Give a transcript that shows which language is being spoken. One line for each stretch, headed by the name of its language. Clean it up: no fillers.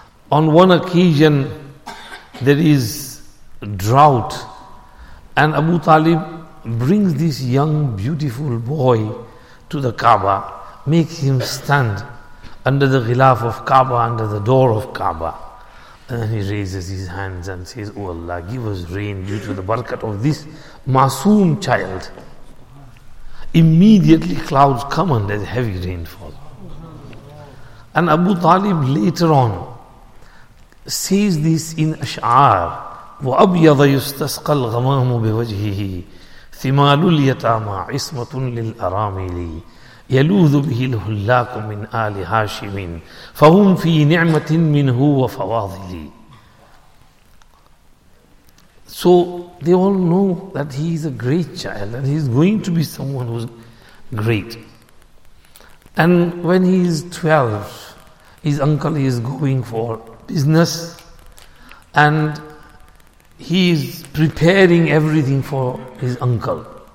English: On one occasion, there is drought, and Abu Talib brings this young, beautiful boy to the Kaaba, makes him stand under the ghilaf of Kaaba, under the door of Kaaba. And then he raises his hands and says, "Oh Allah, give us rain due to the barakat of this masoom child." Immediately clouds come and there's heavy rainfall. And Abu Talib later on says this in Ash'ar,
Arabic: وَأَبْيَضَ يُسْتَسْقَ الْغَمَامُ بِوَجْهِهِ ثِمَالُ الْيَتَامَى عِصْمَةٌ لِلْأَرَامِلِ يَلُوذُ بِهِ الْهُلَّاكُ مِنْ آلِ هَاشِمٍ فَهُمْ فِي نِعْمَةٍ مِنْهُ وَفَوَاضِلِ.
English: So they all know that he is a great child and he is going to be someone who is great. And when he is 12, his uncle is going for business and he is preparing everything for his uncle.